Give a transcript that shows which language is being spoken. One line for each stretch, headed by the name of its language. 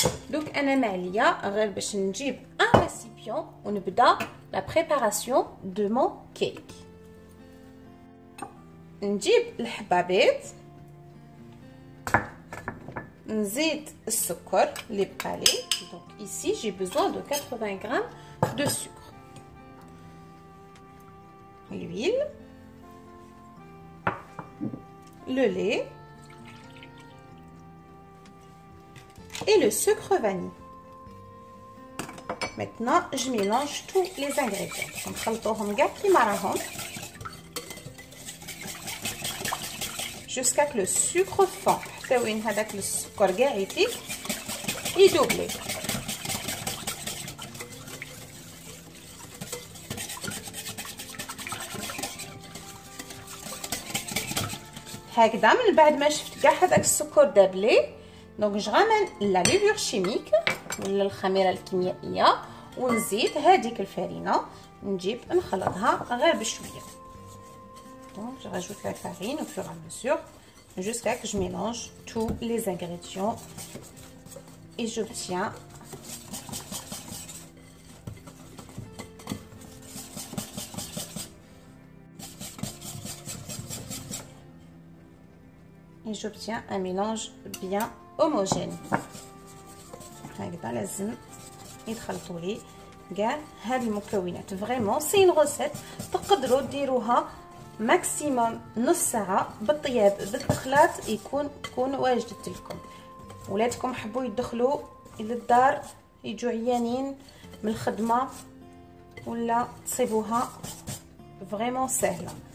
Arabic: دوك انا ما عليا غير باش نجيب ان ريسيبيون ونبدا لا بريباراسيون دو مون كيك. نجيب الحبابيت، نزيد السكر اللي بقى لي.
French: دونك ici j'ai besoin de 80 g de sucre. L'huile, le lait et le sucre vanille. Maintenant, je mélange tous les ingrédients.
Arabic: نخلطوهم كاع كيما راهم.
French: Jusqu'à ce que le sucre fond. C'est une avec le sucre garanti et doublé.
Arabic: Hagdam le بعد ما شفت كاع هذاك السكر دابلي، دونك
French: je ramène la levure chimique
Arabic: ولا الخميره الكيميائيه ونزيد هذيك الفرينه نجيب نخلطها غير بشويه.
French: Donc je rajoute la farine au fur et à mesure jusqu'à que je mélange tous les ingrédients et j'obtiens un mélange bien homogène.
Arabic: هكذا لازم يتخلطوا لي كاع هذه المكونات فريمون. سين روسيت تقدروا ديروها ماكسيموم نص ساعه بالطياب بالتخلاط تكون واجده لكم. ولادكم حبوا يدخلوا للدار يجوا عيانين من الخدمه ولا تصيبوها فريمون سهله.